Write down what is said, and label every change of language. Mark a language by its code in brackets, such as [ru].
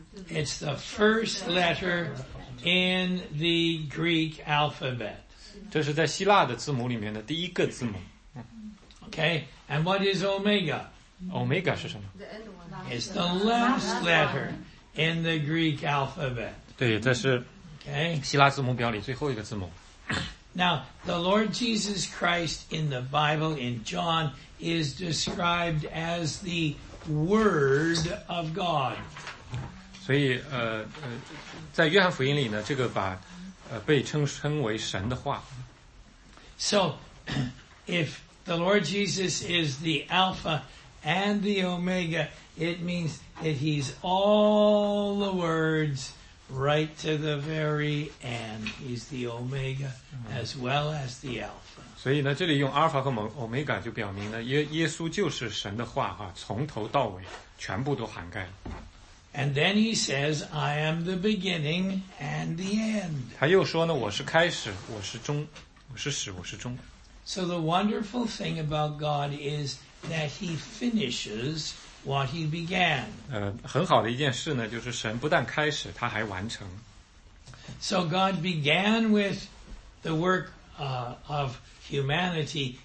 [en] It's the first letter in the Greek alphabet. [zh] 这是在希腊的字母里面的第一个字母。 [en] Okay, and what is Omega? [zh] Omega 是什么？ [en] It's the last letter in the Greek alphabet. [zh] 对，这是希腊字母表里最后一个字母。 [en] Now, the Lord Jesus Christ in the Bible, in John, is described as the Word of God. [zh] 所以在约翰福音里呢，这个把被称为神的话。 [en] So, if the Lord Jesus is the Alpha and the Omega, it means that he's all the words right to the very end. He's the Omega as well as the Alpha. [zh] 所以呢，这里用 Alpha 和 Omega 就表明了耶稣就是神的话啊，从头到尾全部都涵盖了。 [en] And then he says, I am the beginning and the end. [zh] 他又说呢，我是开始，我是终，我是始，我是终。 [en] So the wonderful thing about God is that he finishes what he began. [zh] 很好的一件事呢，就是神不但开始，他还完成。 [en] So God began with the work of humanity.